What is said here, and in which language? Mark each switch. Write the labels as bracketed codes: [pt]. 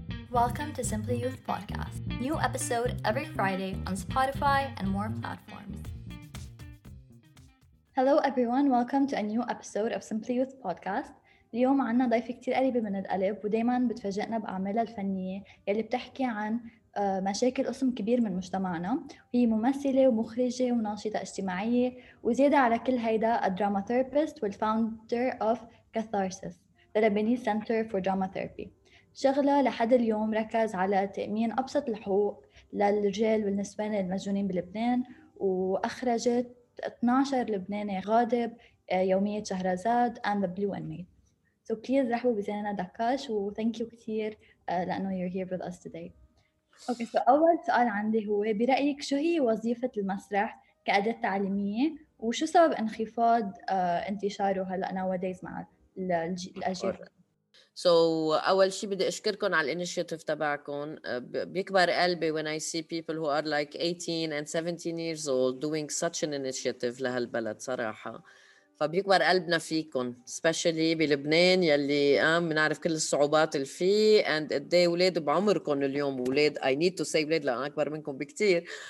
[en] Welcome to Simply Youth Podcast. New episode every Friday on Spotify and more platforms. Hello everyone, welcome to a new episode of Simply Youth Podcast. [ar] اليوم عنا ضيفة كتير قريبة من القلب ودايما بتفاجئنا بأعمالها الفنية يلي بتحكي عن مشاكل قسم كبير من مجتمعنا. هي ممثلة ومخرجة وناشطة اجتماعية وزيادة على كل هيدا a drama therapist والفاوندر of Catharsis, the Lebanese Center for Drama Therapy. شغلة لحد اليوم ركز على تأمين أبسط الحقوق للرجال والنسوان المسجونين بلبنان وأخرجت 12 لبناني غاضب يومية شهرزاد and the blue inmate. So please رحبوا بزينة دكاش و thank you كتير لأنه you're here with us today. Okay, so أول سؤال عندي هو برأيك شو هي وظيفة المسرح كأداة تعليمية وشو سبب انخفاض انتشاره هلأ nowadays مع الأجيال؟ So, أول شيء بدي أشكركم على الانيشيتيف تبعكم. [en] بيكبر قلبي when I see people who are like 18 and 17 years old doing such an initiative لهالبلد صراحة. [ar] فبيكبر قلبنا فيكم, especially بلبنان يلي منعرف كل الصعوبات اللي فيه and قدي ولاد بعمركم اليوم ولاد, I need to say ولاد لأن أكبر منكم بكتير.